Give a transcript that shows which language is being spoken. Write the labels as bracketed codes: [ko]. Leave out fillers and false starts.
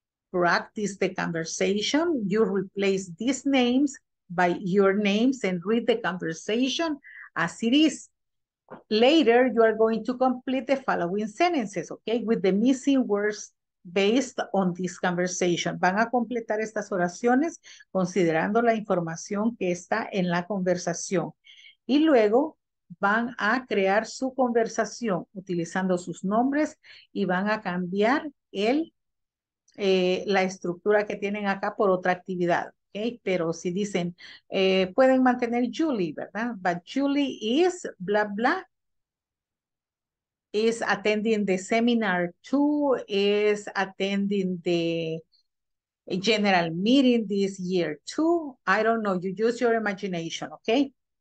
[en] practice the conversation. You replace these names by your names and read the conversation as it is. Later, you are going to complete the following sentences, okay, with the missing words based on this conversation. [es] Van a completar estas oraciones considerando la información que está en la conversación. Y luego van a crear su conversación utilizando sus nombres y van a cambiar el, la estructura que tienen acá por otra actividad. Okay, pero si dicen, pueden mantener Julie, ¿verdad? [en] But Julie is, blah, blah, is attending the seminar too, is attending the general meeting this year too. I don't know, you use your imagination, okay?